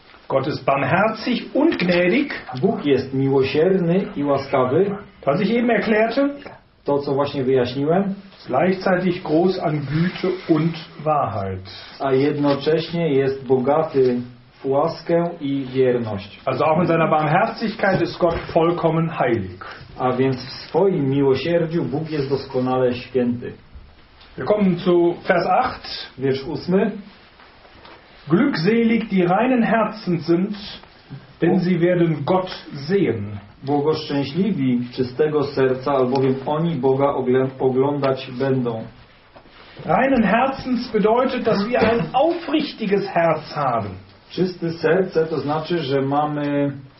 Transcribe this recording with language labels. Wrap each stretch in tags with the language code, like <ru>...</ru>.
<de>Gott ist barmherzig und gnädig.</de> <pl>Bóg jest miłosierny i łaskawy.</pl> <de>Was ich eben erklärte.</de> <pl>To, co właśnie wyjaśniłem.</pl> <de>Gleichzeitig groß an Güte und Wahrheit.</de> <pl>A jednocześnie jest bogaty w łaskę i wierność.</pl> <de>Also auch in seiner Barmherzigkeit ist Gott vollkommen heilig.</de> <pl>A więc w swoim miłosierdziu Bóg jest doskonale święty.</pl> <de>Wir kommen zu Vers 8.</de> <pl>Wiersz 8.</pl> <de>Glückselig die reinen Herzen sind, denn sie werden Gott sehen.</de> <pl>Błogoszczęśliwi czystego serca, albowiem oni Boga oglądać będą.</pl> <de>Reinen Herzens bedeutet, dass wir ein aufrichtiges Herz haben.</de> <pl>Czyste serce to znaczy, że mamy</pl>